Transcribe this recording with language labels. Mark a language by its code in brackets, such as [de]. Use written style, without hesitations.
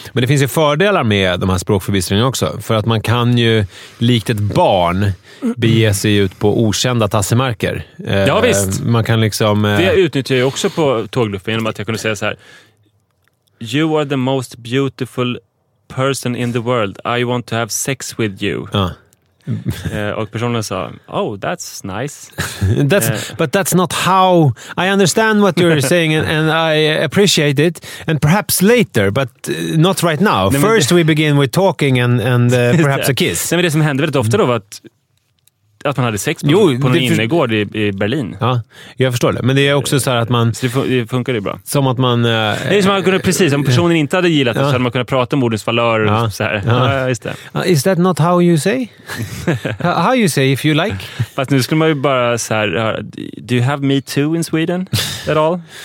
[sv] Men det finns ju fördelar med de här språkförbistringarna också. För att man kan ju, likt ett barn, bege sig ut på okända tassemarker. Ja visst! Man kan liksom, det utnyttjar jag också på tågluffen genom att jag kunde säga så här: [en] you are the most beautiful person in the world. I want to have sex with you. [sv] Ja. Och personen sa, [en] oh, that's nice. But that's not how I understand what you're saying and I appreciate it. And perhaps later, but not right now. Nej, first we begin with talking and perhaps a kiss. [sv] Nej, men det som hände väldigt ofta då var att man hade sex på en innergård i Berlin. Ja, jag förstår det. Men det är också så här att man... Så det funkar ju bra. Som att man... Det är som att man kunde, precis, om personen inte hade gillat det så hade man kunnat prata om ordens valör och så här. Ja, just det. [en] Is that not how you say? How you say if you like? [sv] Fast nu skulle man ju bara så här... [en] Do you have me too in Sweden at all?